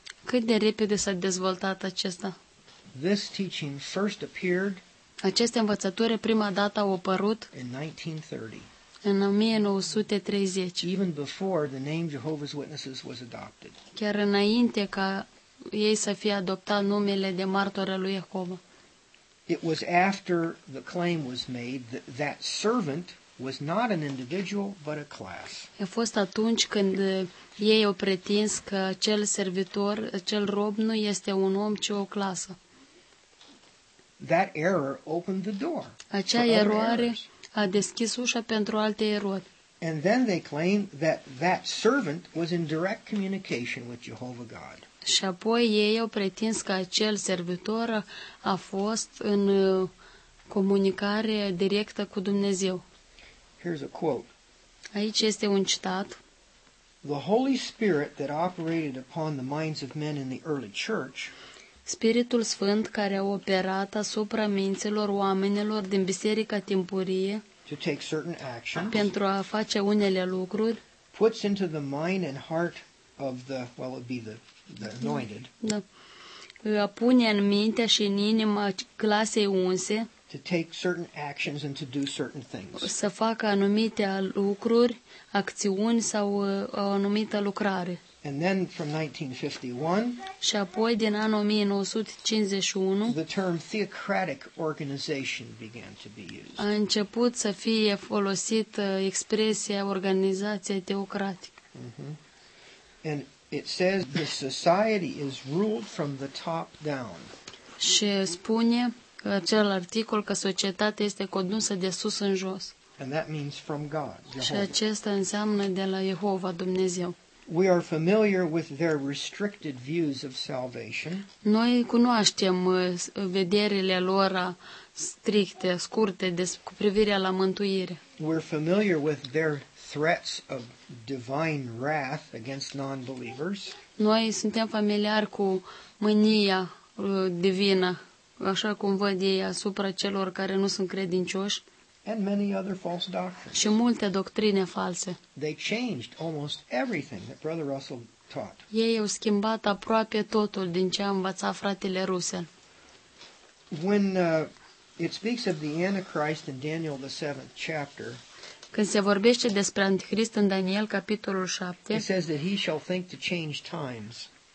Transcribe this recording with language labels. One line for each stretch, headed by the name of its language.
Romanian: Cât de repede s-a dezvoltat acesta?
English: This teaching first appeared.
Romanian: Aceste învățături prima dată au apărut
English: in 1930.
Romanian: În 1930.
English: Even before the name Jehovah's Witnesses was adopted.
Romanian: Chiar înainte ca ei să fie adoptat numele de martori al lui Iehova.
English: It was after the claim was made that that servant was not an individual but a class.
Romanian: A fost atunci când ei au pretins că acel servitor, acel rob nu este un om, ci o clasă.
English: That error opened the door.
Romanian: Acea eroare a deschis ușa pentru alte erori.
English: And then they claim that that servant was in direct communication with Jehovah God.
Romanian: Și apoi ei au pretins că acel servitor a fost în comunicare directă cu Dumnezeu.
English: Here's a quote.
Romanian: Aici este un citat.
English: The Holy Spirit that operated upon the minds of men in the early church.
Romanian: Spiritul Sfânt care a operat asupra minților oamenilor din biserica timpurie
English: to take certain actions,
Romanian: pentru a face unele lucruri
English: puts into the mind and heart of the, well, it'd be the anointed.
Romanian: Da. Pune în minte și în inima clasei unse
English: to take certain actions and to do certain things.
Romanian: Să facă anumite lucruri, acțiuni sau o anumită lucrare.
English: And then from 1951,
Romanian: și apoi din anul 1951,
English: the term theocratic organization began to be used.
Romanian: A început să fie folosită expresia organizație teocratică.
English: And it says the society is ruled from the top down.
Romanian: Și spune acel articol că societatea este condusă de sus în jos.
English: And that means from God,
Romanian: și acesta înseamnă de la Jehova Dumnezeu.
English: We are familiar with their restricted views of salvation.
Romanian: Noi cunoaștem vederile lor stricte, scurte cu privire la mântuire.
English: We're familiar with their threats of divine wrath against non-believers.
Romanian: Noi suntem familiari cu mânia divină, așa cum văd ei, asupra celor care nu sunt credincioși.
English: And many other false doctrines.
Romanian: Și multe doctrine false.
English: They changed almost everything that Brother Russell taught.
Romanian: Ei au schimbat aproape totul din ce a învățat fratele Russell.
English: When it speaks of the Antichrist in Daniel the 7th chapter,
Romanian: când se vorbește despre Antichrist în Daniel capitolul 7,
English: it says that he shall think to change times.